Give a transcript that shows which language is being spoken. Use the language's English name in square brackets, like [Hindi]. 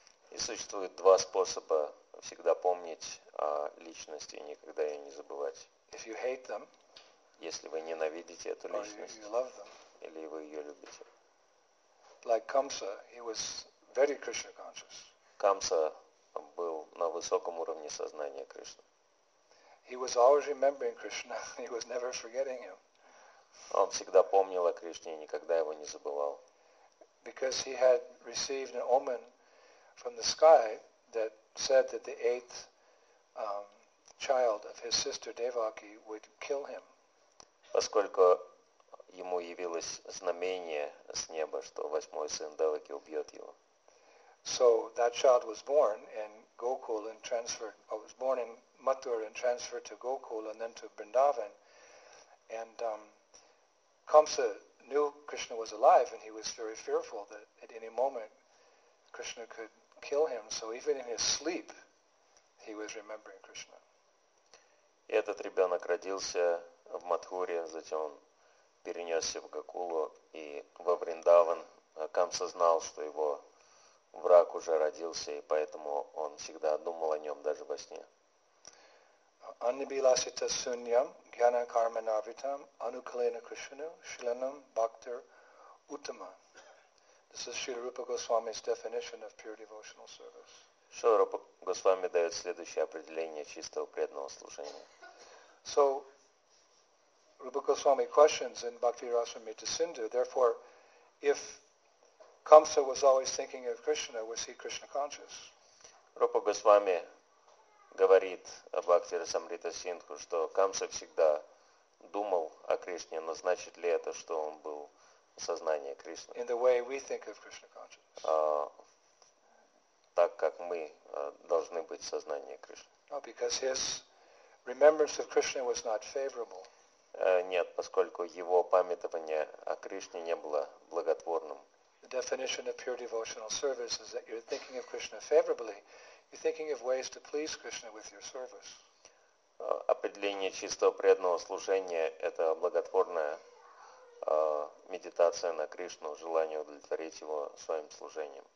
[Russian] И существует два способа всегда помнить о личности и никогда ее не забывать. [English] If you hate them, [Russian] если вы ненавидите эту личность, [English] you love them. [Russian] Или вы ее любите. [English] Like Kamsa, he was very Krishna conscious. [Russian] Камса был на высоком уровне сознания Кришны. [English] He was always remembering Krishna. He was never forgetting him. [Russian] Он всегда помнил о Кришне и никогда его не забывал. [English] Because he had received an omen from the sky that said that the eighth child of his sister Devaki would kill him. [Russian] Поскольку ему явилось знамение с неба, что восьмой сын Деваки убьет его. [English] So that child was born in Gokul and transferred. Was born in Mathura and transferred to Gokul and then to Vrindavan. And Kamsa knew Krishna was alive and he was very fearful that at any moment Krishna could kill him. So even in his sleep he was remembering Krishna. [Russian] И этот ребенок родился в Матхуре, затем он перенесся в Гокулу и во Вриндаван. Камса знал, что его враг уже родился, и поэтому он всегда думал о нем даже во сне. [Sanskrit] Annibilasita sunyam jnana karma navitam anukalena krishnu shilanam bhaktir uttama. [English] This is Srila Rupa Goswami's definition of pure devotional service. [Russian] Srila Rupa Goswami дает следующее определение чистого преданного служения. [English] So Rupa Goswami questions in Bhakti Rasamrita Sindhu, therefore if Kamsa was always thinking of Krishna, was he Krishna conscious? [Russian] Rupa Goswami говорит о Бхакти Расамрита Синдху, что Камса всегда думал о Кришне, но значит ли это, что он был в сознании Кришны? [English] In the way we think of Krishna consciousness. [Russian] Так как мы должны быть в сознании Кришны. [English] No, because his remembrance of Krishna was not favorable. [Russian] Нет, поскольку его памятование о Кришне не было благотворным. [English] The definition of pure devotional service is that you're thinking of Krishna favorably. You're thinking of ways to please Krishna with your service. [Russian] Определение чистого преданного служения – это благотворная медитация на Кришну, желание удовлетворить его своим служением.